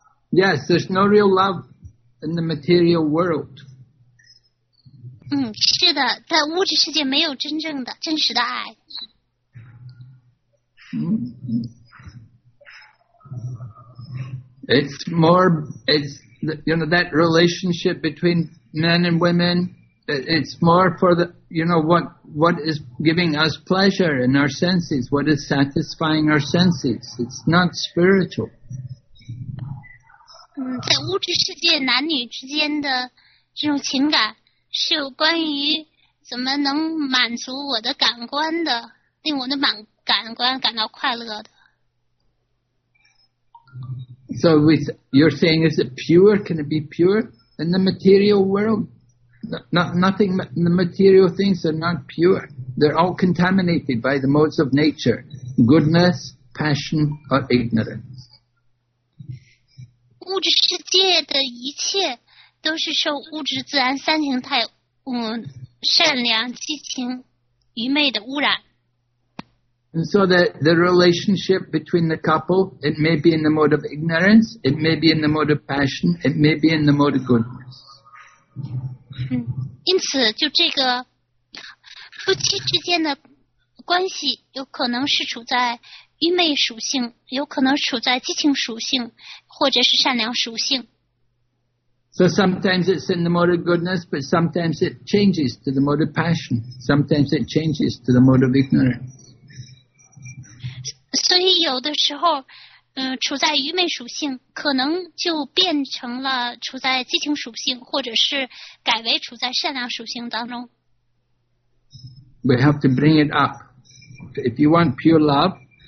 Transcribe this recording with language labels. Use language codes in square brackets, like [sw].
[en] Yes, there's no real love in the material world. [zh] 是的，在物质世界没有真正的、真实的爱。 [en] It's that relationship between men and women. It's more for the, you know, what is giving us pleasure in our senses, what is satisfying our senses. It's not spiritual. [zh] 在物质世界男女之间的这种情感是有关于怎么能满足我的感官的，令我的感官感到快乐的。 [en] So you're saying, is it pure? Can it be pure in the material world? Nothing, the material things are not pure. They're all contaminated by the modes of nature, goodness, passion, or ignorance. [zh] 物质世界的一切都是受物质自然三形态，善良、激情、愚昧的污染。 [en] And so the relationship between the couple, it may be in the mode of ignorance, it may be in the mode of passion, it may be in the mode of goodness. [zh] 因此就这个夫妻之间的关系有可能是处在愚昧属性，有可能处在激情属性，或者是善良属性。 [en] So sometimes it's in the mode of goodness, but sometimes it changes to the mode of passion. Sometimes it changes to the mode of ignorance. [zh] 所以有的时候，处在愚昧属性，可能就变成了处在激情属性，或者是改为处在善良属性当中。 [en] We have to bring it up. If you want pure love.